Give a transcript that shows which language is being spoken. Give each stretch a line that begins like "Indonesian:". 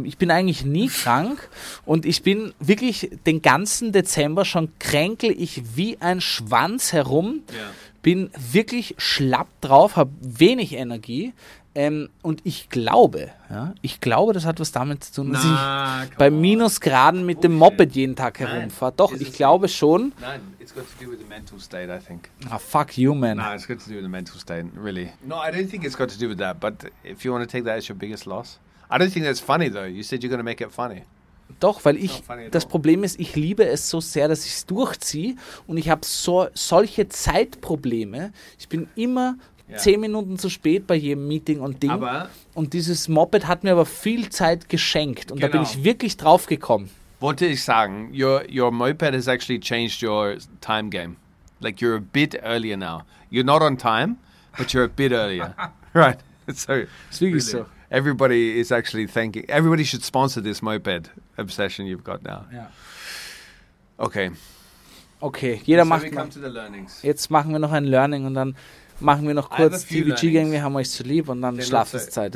German: Ich bin eigentlich nie krank und ich bin wirklich den ganzen Dezember schon kränkel ich wie ein Schwanz herum. Ja. Bin wirklich schlapp drauf, habe wenig Energie und ich glaube, ja, ich glaube, das hat was damit zu tun, dass ich bei Minusgraden mit dem Moped jeden Tag herumfahre. Doch, ich glaube schon.
English: Nein, it's got to do with the mental state, I think. Ah, fuck you, man. No, it's got to do with the mental state, really. No, I don't think it's got to do with that, but if you want to take that as your biggest loss. I don't think that's funny, though. You said you're going to make it funny.
German: Doch, weil ich, das Problem ist, ich liebe es so sehr, dass ich es durchziehe und ich habe solche Zeitprobleme. Ich bin immer 10 Minuten zu spät bei jedem Meeting und Ding. Aber und dieses Moped hat mir aber viel Zeit geschenkt und genau. Da bin ich wirklich drauf gekommen. Wollte ich sagen,
English: your Moped has actually changed your time game. Like you're a bit earlier now. You're not on time, but you're a bit earlier. Right. So,
German: ist wirklich
English: really. So. Everybody is actually thinking. Everybody should sponsor this moped obsession you've got now. Yeah. Okay.
German: Okay, jeder so macht
English: we come to the learnings.
German: Jetzt machen wir noch ein Learning und dann machen wir noch kurz TVG-Gang, wir haben euch zu lieb und dann Schlafenszeit.